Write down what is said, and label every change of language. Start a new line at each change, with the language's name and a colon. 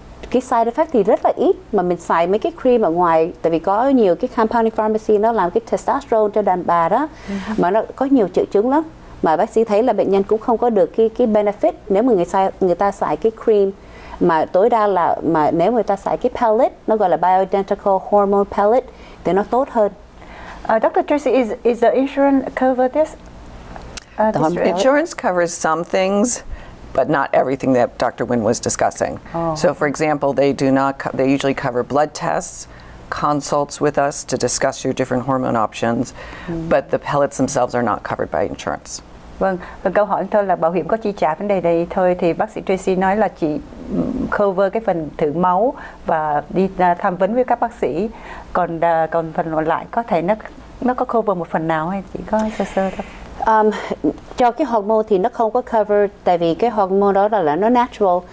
Vietnamese: Cái side effect thì rất là ít, mà mình xài mấy cái cream ở ngoài, tại vì có nhiều cái compounding pharmacy nó làm cái testosterone cho đàn bà đó, mà nó có nhiều triệu chứng lắm, mà bác sĩ thấy là bệnh nhân cũng không có được cái benefit nếu mà người ta xài cái cream. Mà tối đa là mà nếu người ta xài cái pellet, nó gọi là bioidentical hormone pellet, thì nó tốt hơn.
English: Dr. Tracy, is the insurance cover this? Insurance covers some things, but not everything that Dr. Nguyen was discussing. So, for example, they usually cover blood tests, consults with us to discuss your different hormone options, but the pellets themselves are not covered by insurance.
Vietnamese: Vâng, câu hỏi thôi là bảo hiểm có chi trả vấn đề này thôi, thì bác sĩ Tracy nói là chỉ cover cái phần thử máu và đi tham vấn với các bác sĩ, còn phần còn lại có thể nó có cover một phần nào hay chỉ có sơ sơ thôi. Cho cái hormone thì nó không có cover, tại vì cái hormone đó là nó natural.